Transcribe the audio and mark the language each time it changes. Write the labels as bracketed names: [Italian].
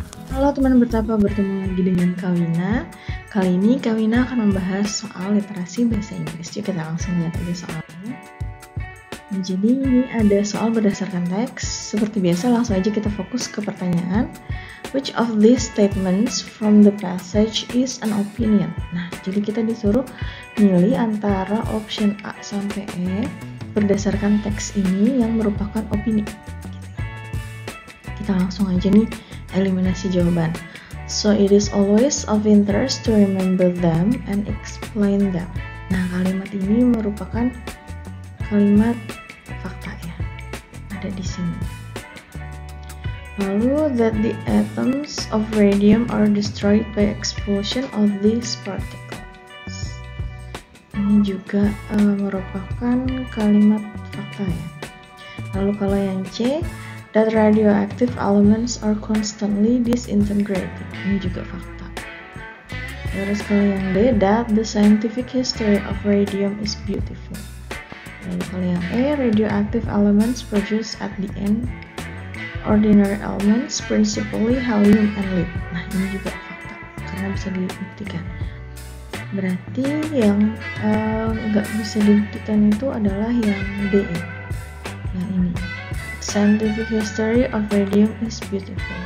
[Indonesian] Halo teman Bertapa, bertemu lagi dengan Kawina. Kali ini Kawina akan membahas soal literasi bahasa Inggris. Yuk kita langsung lihat aja soalnya. Jadi ini ada soal berdasarkan teks. Seperti biasa langsung aja kita fokus ke pertanyaan. [English] Which of these statements from the passage is an opinion? [Indonesian] Nah, jadi kita disuruh milih antara option A sampai E berdasarkan teks ini yang merupakan opini. Kita langsung aja nih eliminasi jawaban. [English] So it is always of interest to remember them and explain them. [Indonesian] Nah, kalimat ini merupakan kalimat fakta ya. Ada di sini. [English] Lalu, that the atoms of radium are destroyed by explosion of these particles. [Indonesian] Ini juga merupakan kalimat fakta ya. Lalu kalau yang C, [English] that radioactive elements are constantly disintegrating. [Indonesian] Ini juga fakta. Terus kalau yang D, [English] that the scientific history of radium is beautiful. [Indonesian] Lalu kalau yang E, [English] radioactive elements produced at the end ordinary elements, principally helium and lead. [Indonesian] Nah, ini juga fakta, karena bisa dibuktikan. Berarti yang gak bisa dibuktikan itu adalah yang D. Yang ini. [English] Scientific history of radium is beautiful.